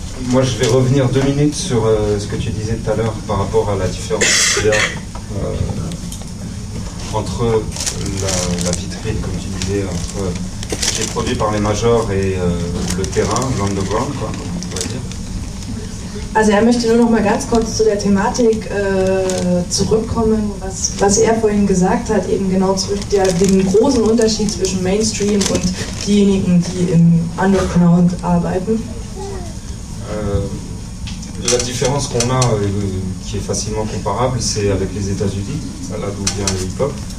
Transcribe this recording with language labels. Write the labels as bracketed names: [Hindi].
[French] Moi, je vais revenir deux minutes sur ce que tu disais tout à l'heure par rapport à la différence entre la vitrine, comme tu disais, entre ce qui est produit par les majors et le terrain, l'underground, quoi. [German] Also er möchte nur noch mal ganz kurz zu der Thematik zurückkommen, was er vorhin gesagt hat, eben genau zurück dem großen Unterschied zwischen Mainstream und diejenigen, die im Underground arbeiten. [French] La différence qu'on a, qui est facilement comparable, c'est avec les États-Unis, là d'où vient le hip-hop.